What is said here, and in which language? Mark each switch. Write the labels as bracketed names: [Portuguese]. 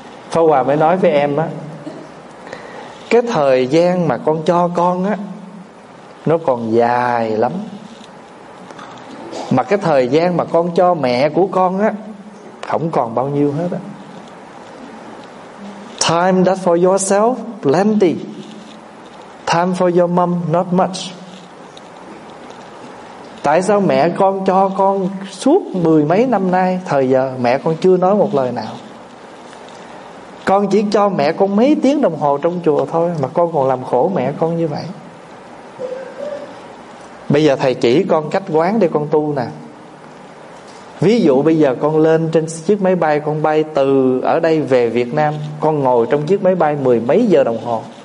[Vietnamese] Pháp Hòa mới nói với em á, cái thời gian mà con cho con á, nó còn dài lắm. Mà cái thời gian mà con cho mẹ của con á, không còn bao nhiêu hết á. [English] Time that for yourself, plenty. Time for your mom, not much. [Vietnamese] Tại sao mẹ con cho con suốt 10 mấy năm nay thời giờ mẹ con chưa nói một lời nào? Con chỉ cho mẹ con mấy tiếng đồng hồ trong chùa thôi mà con còn làm khổ mẹ con như vậy. Bây giờ thầy chỉ con cách quán để con tu nè. Ví dụ bây giờ con lên trên chiếc máy bay, con bay từ ở đây về Việt Nam, con ngồi trong chiếc máy bay 10 mấy giờ đồng hồ.